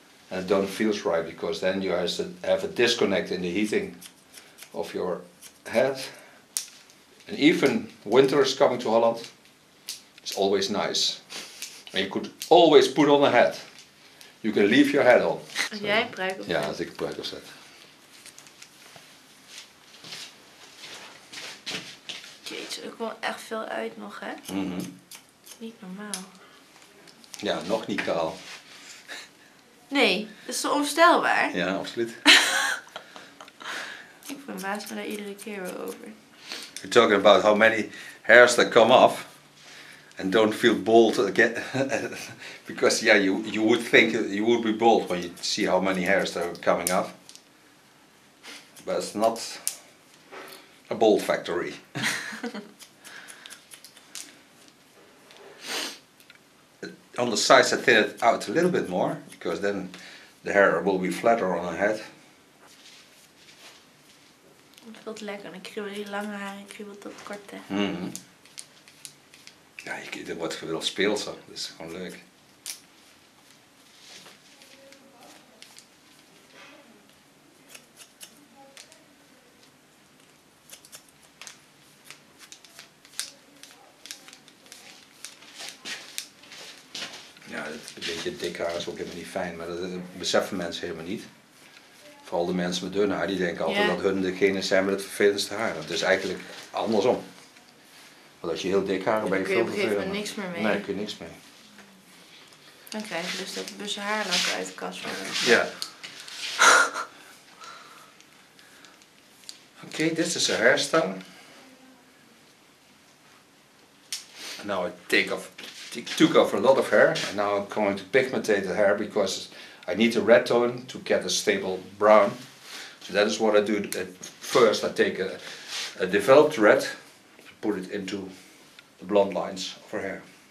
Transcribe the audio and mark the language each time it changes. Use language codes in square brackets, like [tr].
[en] And it don't feel right, because then you have a disconnect in the heating of your head. And even winter is coming to Holland. It's always nice. And you could always put on a hat. You can leave your hat on. [nl] Als jij een pruik opzet. Ja, als ik een pruik opzet. Jeetje, er komt echt veel uit nog, hè? Mm-hmm. Niet normaal. Ja, nog niet kaal. Nee, dat is onvoorstelbaar. Ja, absoluut. Ik verbaas me daar iedere keer weer over. [en] You're talking about how many hairs that come off and don't feel bald again. Because, yeah, you would think you would be bald when you see how many hairs that are coming off. But it's not a bald factory. On the sides, I thin it out a little bit more, because then the hair will be flatter on the head. [nl] Het voelt lekker, dan kriebel die lange haren, kriebel tot korte. Ja, er wordt gewild speelser, dat is gewoon leuk. Ja, een beetje dik haar is ook helemaal niet fijn, maar dat beseffen mensen helemaal niet. Vooral de mensen met dun haar, die denken altijd dat hun degene zijn met het vervelendste haar. Het is eigenlijk andersom. Want als je heel dik haar hebt, ben je veel vervelender. Dan kun je niks meer mee. Nee, kun je niks mee. Dan krijg je dus dat bussen haarlak uit de kast van. Ja. Oké, dit is een hairstyle. [en] Nou, I took off a lot of hair, and now I'm going to pigmentate the hair because I need a red tone to get a stable brown. So that is what I do. First, I take a developed red and put it into the blonde lines of her hair.